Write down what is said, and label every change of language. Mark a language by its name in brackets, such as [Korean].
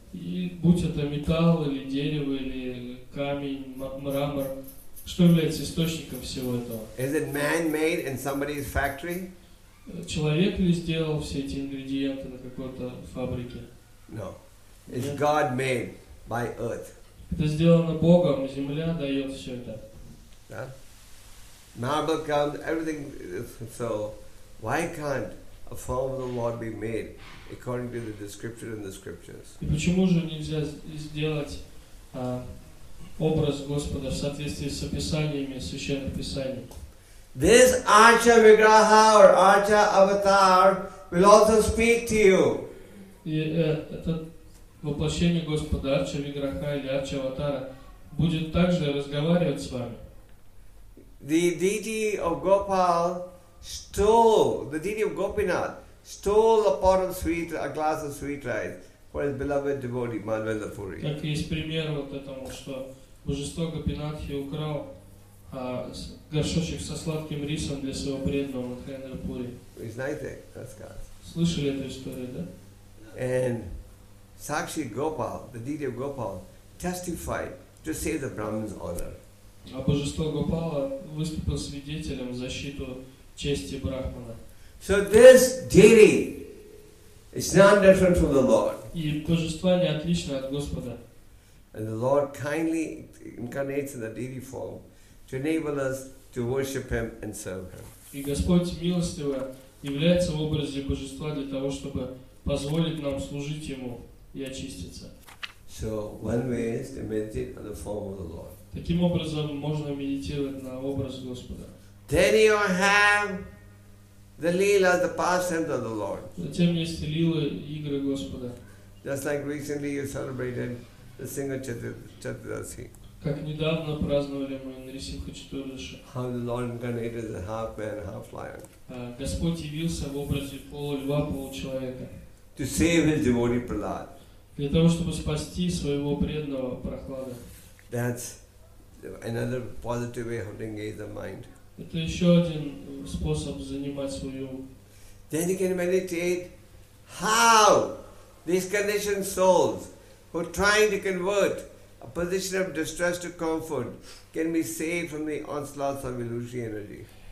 [Russian] И будь это металл или дерево или камень, мрамор, что является источником всего этого? [English] Is it man-made in somebody's factory? [Russian] Человек ли сделал все эти ингредиенты на какой-то фабрике? [English] No. It's God made by earth. [Russian] Это сделано Богом, земля дает все это. Да? [English] Marble comes, everything is, so why can't a form of the Lord be made according to the description in the scriptures? [Russian] И почему же нельзя сделать образ Господа в соответствии с описаниями священных писаний? [English] This Archa Vigraha or Archa Avatar will also speak to you. [Russian] Это воплощение Господа, Арча Виграха или Арча Аватара, будет также разговаривать с вами. [English] The deity of Gopal stole, the deity of Gopinath stole a pot of sweet, a glass of sweet rice for his beloved devotee Manvendra Puri. [Russian] Как есть пример вот этому, что божество Гопинатхи украл горшочек со сладким рисом для своего преданного Манхендра Пури. Вы знаете, [English] that's God. [Russian] Слышали эту историю, да? [English] And Sakshi Gopal, the deity of Gopal, testified to save the Brahmin's honor. [Russian] А божество Гопала выступил свидетелем в защиту чести Брахмана. [English] So this deity is not different from the Lord. [Russian] И божество не отлично от Господа. [English] And the Lord kindly incarnates in the deity form to enable us to worship Him and serve Him. [Russian] И Господь милостиво является в образе божества для того, чтобы позволить нам служить Ему и очиститься. [English] So one way is to meditate on the form of the Lord. [Russian] Таким образом можно медитировать на образ Господа. [English] Then you have the Leela, the pastimes of the Lord. [Russian] Затем есть лила, игры Господа. [English] Just like recently you celebrated the Singha-Chaturdasi. [Russian] Как недавно праздновали мы Нарисимха-Чатурдаши. [English] How the Lord incarnated as a half man, half lion. [Russian] Господь явился в образе полу-льва, полу-человека. [English] To save his devotee Prahlad. [Russian] Для того, чтобы спасти своего преданного Прохлада. [English] That's another positive way of engaging the mind. [Russian] Это еще один способ занимать свою. [English] Then you can meditate how these conditioned souls who are trying to convert a position of distress to comfort can be saved from the onslaughts of illusory energy.